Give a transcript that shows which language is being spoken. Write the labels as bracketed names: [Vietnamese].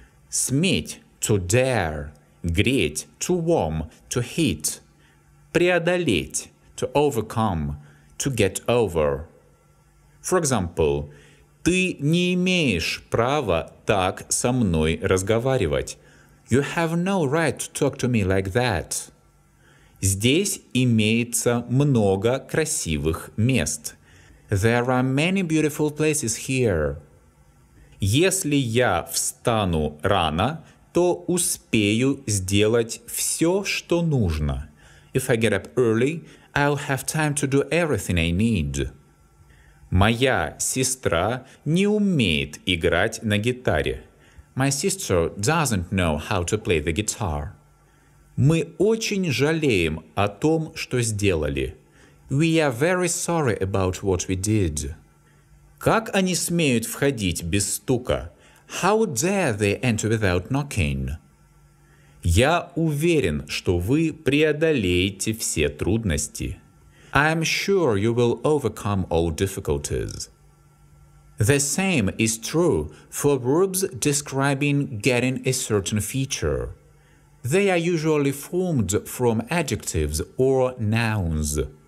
[English] Сметь – to dare, греть – to warm, to heat, преодолеть – to overcome, to get over. For example, [Russian] ты не имеешь права так со мной разговаривать. [English] You have no right to talk to me like that. [Russian] Здесь имеется много красивых мест. [English] There are many beautiful places here. [Russian] Если я встану рано, то успею сделать все, что нужно. [English] If I get up early, I'll have time to do everything I need. [Russian] Моя сестра не умеет играть на гитаре. [English] My sister doesn't know how to play the guitar. [Russian] Мы очень жалеем о том, что сделали. [English] We are very sorry about what we did. [Russian] Как они смеют входить без стука? [English] How dare they enter without knocking? [Russian] Я уверен, что вы преодолеете все трудности. [English] I am sure you will overcome all difficulties. The same is true for verbs describing getting a certain feature. They are usually formed from adjectives or nouns.